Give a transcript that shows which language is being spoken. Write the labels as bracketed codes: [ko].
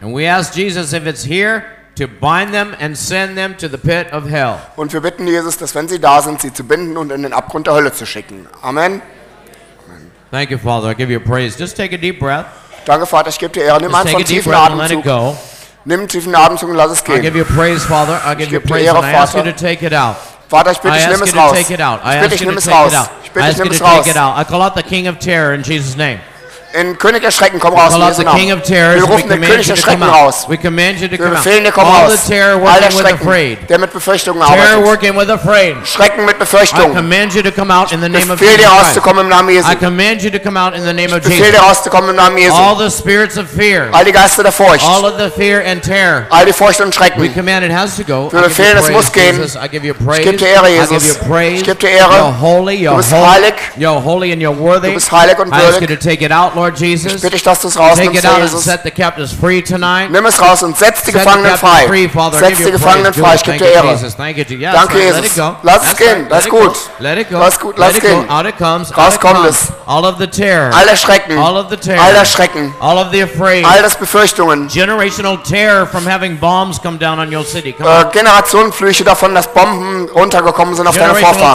[en] And we ask Jesus if it's here to bind them and send them to the pit of hell. [de] Und wir bitten Jesus, dass wenn sie da sind, sie zu binden und in den Abgrund der Hölle zu schicken. Amen. [en] Thank you, Father. I give you praise. Just take a deep breath. [de] Danke, Vater. Ich gebe dir Ehre. Nimm einfach einen tiefen Atemzug. Nimm einen tiefen Atemzug und lass es gehen. [en] I give you praise, Father. I give you praise. [de] Ehre, Vater. [en] I ask you to take it out. [de] Vater, ich bitte dich, nimm es raus. [en] I call out the King of Terror in Jesus' name. [de] In König Erschrecken, komm raus. [en] Call out the King of Terror. [de] Wir rufen den König Erschrecken raus. [en] We command you to come out. [de] Wir befehlen dir, komm raus. [en] All the terror working with afraid. [de] Der mit Befürchtungen arbeitet. [en] Terror working with afraid. [de] Schrecken mit Befürchtungen. [en] I command you to come out in the name of [de] Jesus. Befehl dir rauszukommen im Namen Jesu. [en] I command you to come out in the name of Jesus. [de] Befehl dir rauszukommen im Namen Jesu. [en] All the spirits of fear. [de] All die Geister der Furcht. [en] All of the fear and terror. [de] All die Furcht und Schrecken. [en] We command it has to go. [de] Wir befehlen, es muss gehen. [en] I give you praise. [de] Ich gebe dir Ehre, Jesus. [en] I give you praise. [de] Ich gebe dir Ehre. [en] You're holy. You're [de] du bist heilig. [en] You're holy and you're worthy. [de] Du bist heilig und würdig. [en] I ask you to take it out. Lord Jesus, [de] ich bitte dich, dass du es rausnimmst, Herr Jesus. [en] Set the captives free tonight. [de] Nimm es raus und setz die Gefangenen frei. [en] Free, [de] setz die Gefangenen frei. Ich gebe dir Ehre. Danke, Jesus. Lass es gehen. Das ist gut. Lass es gut. Lass es gehen. Raus kommt es. [en] All of the terror. [de] All der Schrecken. [en] All of the terror. [de] All der Schrecken. [en] All of the afraid. [de] All das Befürchtungen. [en] Generational terror from having bombs come down on your city. [de] Generationenflüche davon, dass Bomben runtergekommen sind auf deine Vorfahren.